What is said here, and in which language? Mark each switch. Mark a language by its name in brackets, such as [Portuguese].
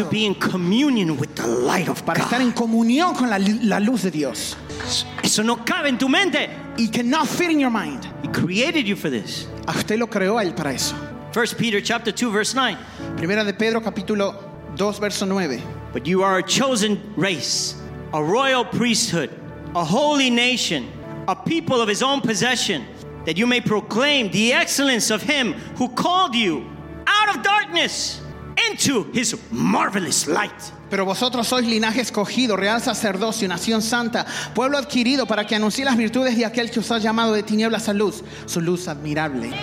[English] To be in communion with the light of [Spanish] para [English] God. [Spanish] Estar en comunión con la luz de Dios. Eso no cabe en tu mente. [English] It cannot fit in your mind. He created you for this. [Spanish] A usted lo creó él para eso. [English] 1 Peter chapter 2 verse 9. [Spanish] Primera de Pedro capítulo 2 verso 9. [English] But you are a chosen race, a royal priesthood, a holy nation, a people of his own possession, that you may proclaim the excellence of him who called you out of darkness into his marvelous light. [Spanish] Pero vosotros sois linaje escogido, real sacerdocio, nación santa, pueblo adquirido para que anuncie las virtudes de aquel que os ha llamado de tinieblas a luz, su luz admirable.